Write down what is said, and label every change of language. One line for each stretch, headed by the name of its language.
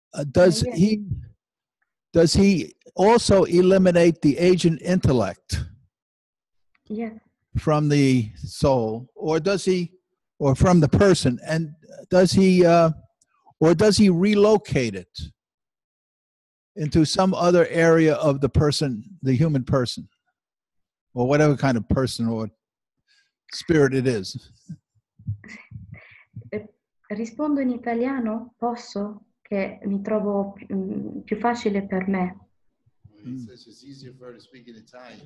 English: Does he also eliminate the agent intellect from the soul, or does he relocate it into some other area of the person, the human person, or whatever kind of person or spirit it is?
Italian: Rispondo in italiano, posso, che mi trovo più facile per me.
English: It's easier for her to speak in Italian.